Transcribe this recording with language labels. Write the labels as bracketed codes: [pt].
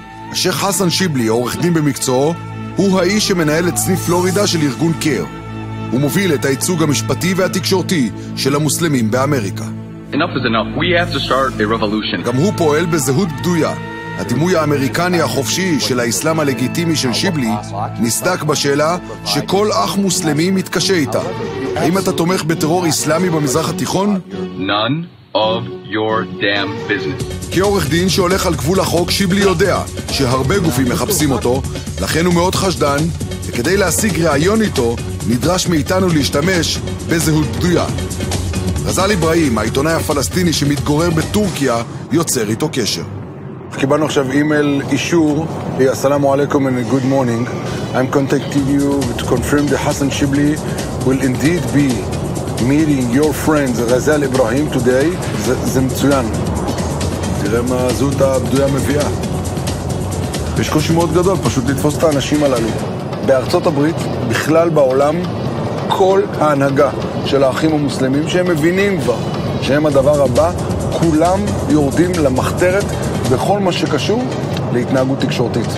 [he] השייח חסן שיבלי, עורך דין במקצועו, הוא האיש שמנהל את סניף פלורידה של ארגון קר. הוא מוביל את הייצוג המשפטי והתקשורתי של המוסלמים באמריקה. [en] Enough is enough. We have to start a revolution. [he] גם הוא פועל בזהות בדויה. הדימוי האמריקני החופשי של האסלאם הלגיטימי של שיבלי נסדק בשאלה שכל אח מוסלמי מתקשה איתה. האם אתה תומך בטרור אסלאמי במזרח התיכון? [en] None of your damn business. [he] כעורך דין שהולך על גבול החוק, שיבלי יודע שהרבה גופים מחפשים אותו, לכן הוא מאוד חשדן, וכדי להשיג רעיון איתו נדרש מאיתנו להשתמש בזהות בדויה. רזל אברהים, העיתונאי הפלסטיני שמתגורר בטורקיה, יוצר איתו קשר. קיבלנו עכשיו אימייל אישור, אסלאמו עליכום [en] and good morning. I'm contacting you to confirm that Hassan Shibli will indeed be meeting your friends רזל אברהים today. [he] זה מצוין. תראה מה הזהות הבדויה מביאה. יש קושי מאוד גדול פשוט לתפוס את האנשים הללו. בארצות הברית, בכלל בעולם, כל ההנהגה של האחים המוסלמים שהם מבינים כבר שהם הדבר הבא, כולם יורדים למחתרת בכל מה שקשור להתנהגות תקשורתית.